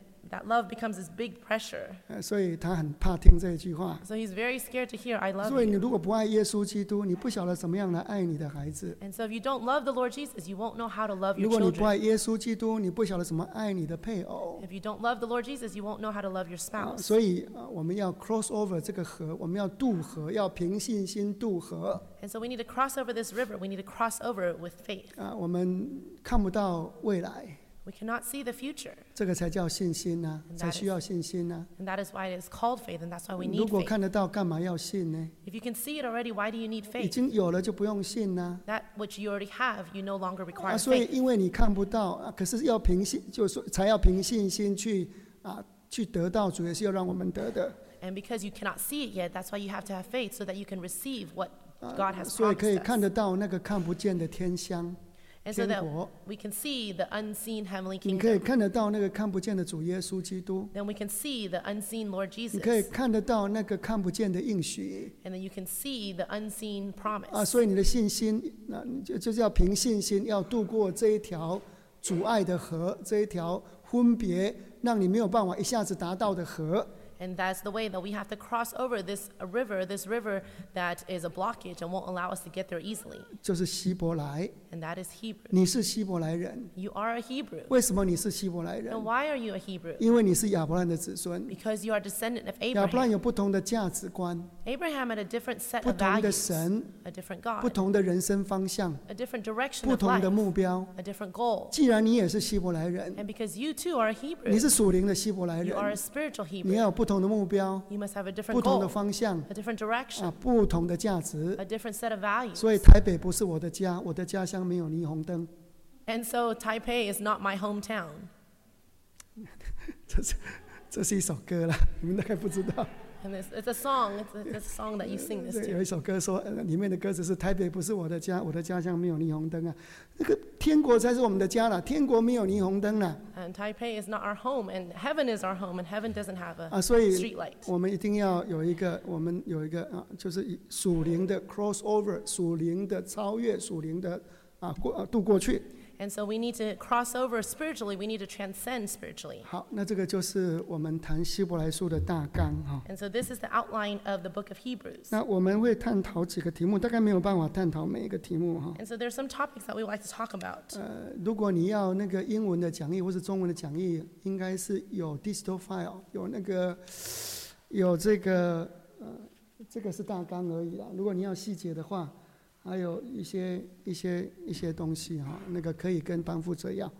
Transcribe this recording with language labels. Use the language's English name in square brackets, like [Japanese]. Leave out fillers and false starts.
[English] that love becomes this big pressure. [Chinese] 所以他很怕听这句话。 [English] So he's very scared to hear, I love you. [Chinese] 所以你如果不爱耶稣基督，你不晓得怎么样来爱你的孩子。 [English] And so if you don't love the Lord Jesus, you won't know how to love your children. [Chinese] 如果你不爱耶稣基督，你不晓得怎么爱你的配偶。 [English] If you don't love the Lord Jesus, you won't know how to love your spouse. [Chinese] 所以我们要 cross over 这个河，我们要渡河，要凭信心渡河。 [English] And so we need to cross over this river. We need to cross over with faith. [Chinese] 我们看不到未来。 [English] We cannot see the future. [Chinese] 这个才叫信心呢、啊，才需要信心呢、啊。 [English] And that is why it is called faith, and that's why we need faith. [Chinese] 如果看得到，干嘛要信呢 [English] ？If you can see it already, why do you need faith? [Chinese] 已经有了就不用信呢、啊。 [English] That which you already have, you no longer require faith. [Chinese] 所以因为你看不到，可是要凭信，就是才要凭信心去去得到主，也是要让我们得的。 [English] And because you cannot see it yet, that's why you have to have faith so that you can receive what God has promised. [Chinese] 所以可以看得到那个看不见的天香。 [English] And so that we can see the unseen heavenly kingdom. [Chinese] 你可以看得到那个看不见的主耶稣基督。 [English] Then we can see the unseen Lord Jesus. [Chinese] 你可以看得到那个看不见的应许。 [English] And then you can see the unseen promise. [Chinese] 所以你的信心，就是要凭信心，要渡过这一条阻碍的河，这一条分别，让你没有办法一下子达到的河。 [English] And that's the way that we have to cross over this river that is a blockage and won't allow us to get there easily. [Chinese] 就是希伯来。 [English] And that is Hebrew. [Chinese] 你是希伯来人。 [English] You are a Hebrew. [Chinese] 为什么你是希伯来人？ [English] And why are you a Hebrew? [Chinese] 因为你是亚伯兰的子孙。 [English] Because you are descendant of Abraham. [Chinese] 亚伯兰有不同的价值观。 [English] Abraham had a different set of values. [Chinese] 不同的神。 [English] A different God. [Chinese] 不同的人生方向。 [English] A different direction of life. [Chinese] 不同的目标。 [English] A different goal. [Chinese] 既然你也是希伯来人。 [English] And because you too are a Hebrew. [Chinese] 你是属灵的希伯来人。 [English] You are a spiritual Hebrew. [Chinese] 你要有不同的目标。 [English] You must have a different goal. [Chinese] 不同的方向。 [English] A different direction. [Chinese] 不同的价值。 [English] A different set of values. [Chinese] 所以台北不是我的家，我的家乡没有霓虹灯。 [English] And so Taipei is not my hometown. [Chinese] 这是一首歌了，你们大概不知道。 [English] And it's a song. It's a song that you sing this to. [Chinese] 有一首歌说，里面的歌词是台北不是我的家，我的家乡没有霓虹灯啊。那个天国才是我们的家了，天国没有霓虹灯了。 [English] And Taipei is not our home, and heaven is our home, and heaven doesn't have a street light. [Chinese] 所以我们一定要有一个，我们有一个就是属灵的 crossover, 属灵的超越，属灵的渡过去。 [English] And so we need to cross over spiritually. We need to transcend spiritually. [Chinese] 好，那这个就是我们谈希伯来书的大纲哈。 [English] And so this is the outline of the book of Hebrews. [Chinese] 那我们会探讨几个题目，大概没有办法探讨每一个题目哈。 [English] And so there are some topics that we would like to talk about. [Chinese] 如果你要那个英文的讲义或是中文的讲义，应该是有 digital file， 有那个，有这个，这个是大纲而已啦。如果你要细节的话。还有一些东西哈，那个可以跟班副者要。